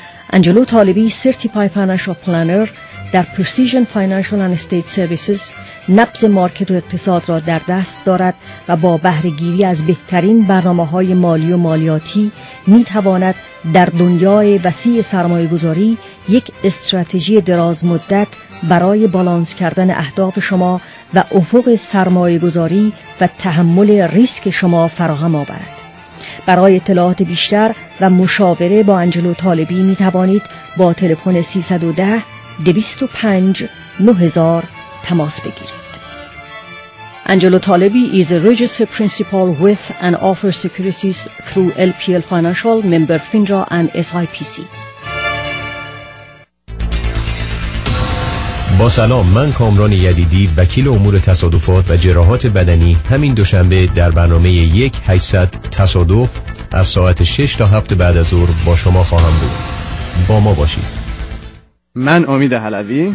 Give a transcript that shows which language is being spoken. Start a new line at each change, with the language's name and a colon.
Persian: انجلو طالبی، سرتیفای فاینانشال پلانر در پرسیژن فاینانشال اند استیت سرویسز، نبض مارکت و اقتصاد را در دست دارد و با بهره گیری از بهترین برنامه‌های مالی و مالیاتی می‌تواند در دنیای وسیع سرمایه‌گذاری یک استراتژی دراز مدت برای بالانس کردن اهداف شما و افق سرمایه‌گذاری و تحمل ریسک شما فراهم آورد. برای اطلاعات بیشتر و مشاوره با انجلو طالبی می توانید با تلفن 310-205-9000 تماس بگیرید.
English: Angelo Talebi is a registered principal with and offers securities through LPL Financial, member FINRA and SIPC.
Persian: با سلام، من کامران یدیدی، وکیل امور تصادفات و جراحات بدنی، همین دوشنبه در برنامه 1-800 تصادف از ساعت 6 تا 7 بعد از ظهر با شما خواهم بود. با ما باشید. من امید حلوی